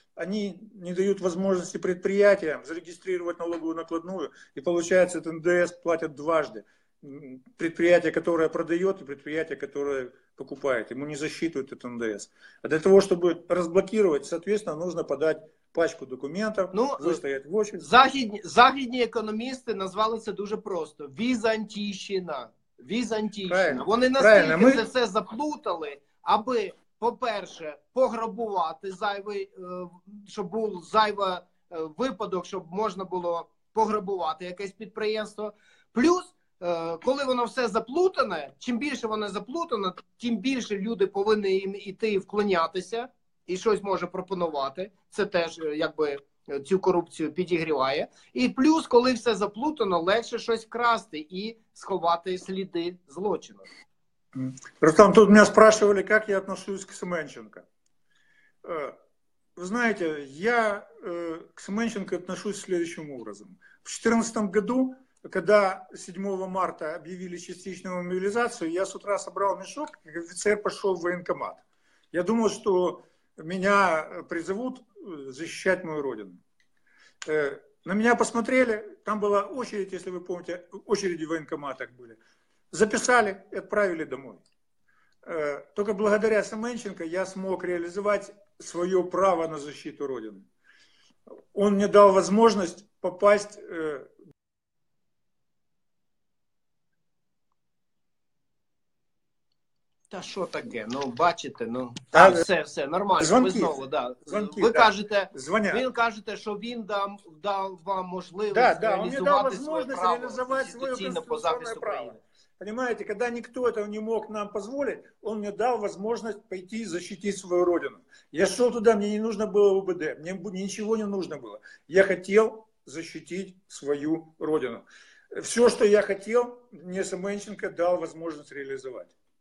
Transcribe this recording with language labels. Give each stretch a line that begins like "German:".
Russian: Они не дают возможности предприятиям зарегистрировать налоговую накладную. И получается, этот НДС платят дважды. Предприятие, которое продает, и предприятие, которое покупает. Ему не засчитывают этот НДС. А для того, чтобы разблокировать, соответственно, нужно подать пачку документов, выстоять в очередь.
Ukrainian: Західні економісти назвали це дуже просто. Візантійщина. Візантійщина. Правильно. Вони настільки це все заплутали, аби, по-перше, пограбувати зайвий, щоб був зайвий випадок, щоб можна було пограбувати якесь підприємство. Плюс, коли воно все заплутане, чим більше воно заплутане, тим більше люди повинні їм іти і вклонятися, і щось може пропонувати. Це теж, якби, цю корупцію підігріває. І плюс, коли все заплутано, легше щось вкрасти і сховати сліди злочину.
Russian: Рустам, тут меня спрашивали, как я отношусь к Семенченко. Вы знаете, я к Семенченко отношусь следующим образом. В 2014 году, когда 7 марта объявили частичную мобилизацию, я с утра собрал мешок, и офицер пошел в военкомат. Я думал, что меня призовут защищать мою родину. На меня посмотрели, там была очередь, если вы помните, очереди в военкоматах были. Записали и отправили домой. Только благодаря Семенченко я смог реализовать свое право на защиту Родины. Он мне дал возможность попасть...
Ukrainian: Та що таке? Ну, бачите, ну, там все нормально.
Russian: Звонки.
Ukrainian: Ви знову, да.
Russian: Звонки,
Ukrainian: ви кажете, він кажете, що він дав вам можливість реалізувати своє право. Він дав можливість реалізувати своє конституційне право.
Russian: Понимаете, когда никто этого не мог нам позволить, он мне дал возможность пойти защитить свою родину. Я шел туда, мне не нужно было УБД, мне ничего не нужно было. Я хотел защитить свою родину. Все, что я хотел, мне Семенченко дал возможность реализовать.